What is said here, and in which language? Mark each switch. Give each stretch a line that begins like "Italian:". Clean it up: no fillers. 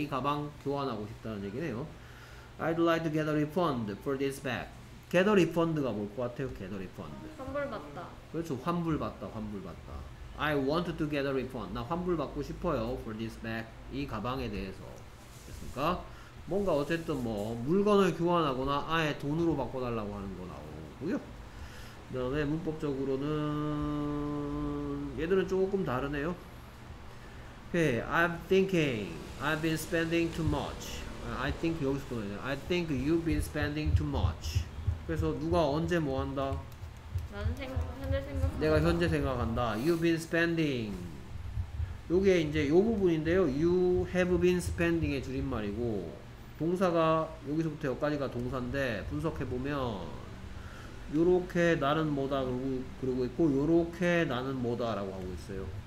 Korean: 이 가방 교환하고 싶다는 얘기네요.
English: I'd like to get a refund for this back. Get a refund가
Korean: 뭘 것 같아요?
English: Get a refund.
Korean: 환불받다. 그렇죠. 환불받다.
English: I want to get a refund.
Korean: 나 환불받고 싶어요.
English: For this bag.
Korean: 이 가방에 대해서. 됐습니까? 뭔가 어쨌든 뭐 물건을 교환하거나 아예 돈으로 바꿔달라고 하는 거 나오고요. 그다음에 문법적으로는 얘들은 조금 다르네요.
English: Okay, I'm thinking I've been spending too much. I think
Korean: 여기서 보면
English: I think you've been spending too much.
Korean: 그래서 누가 언제 뭐 한다? 현재 생각한다. 내가 현재 생각한다.
English: You've been spending.
Korean: 요게 이제 요 부분인데요.
English: You have been spending
Korean: 의 줄임말이고 동사가 여기서부터 여기까지가 동사인데 분석해보면 요렇게 나는 뭐다 그러고 있고 요렇게 나는 뭐다 라고 하고 있어요.